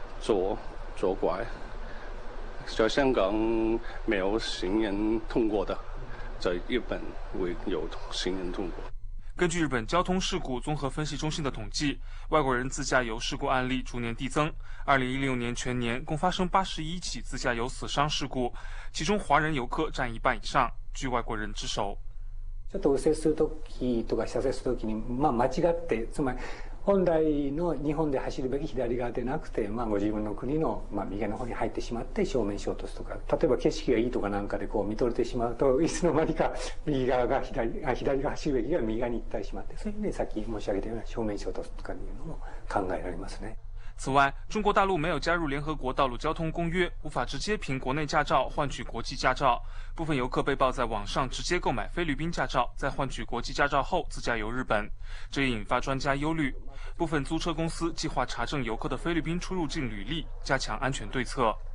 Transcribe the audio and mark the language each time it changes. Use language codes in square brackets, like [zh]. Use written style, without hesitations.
[zh] 左拐，在香港没有行人通过的，在日本会有行人通过。根据日本交通事故综合分析中心的统计，外国人自驾游事故案例逐年递增。 2016年全年共发生81起自驾游死伤事故，其中华人游客占一半以上，居外国人之首。 [ja] ちょっと右折するときとか左折するときに、まあ、間違って、つまり本来の日本で走るべき左側でなくて、まあ、ご自分の国の、まあ、右の方に入ってしまって正面衝突とか、例えば景色がいいとかなんかでこう見とれてしまうと、いつの間にか右側が左が走るべきが右側に行ったりしまって、そういう意味でさっき申し上げたような正面衝突とかいうのも考えられますね。 [zh] 此外，中国大陆没有加入联合国道路交通公约，无法直接凭国内驾照换取国际驾照。部分游客被曝在网上直接购买菲律宾驾照，在换取国际驾照后自驾游日本，这也引发专家忧虑。部分租车公司计划查证游客的菲律宾出入境履历，加强安全对策。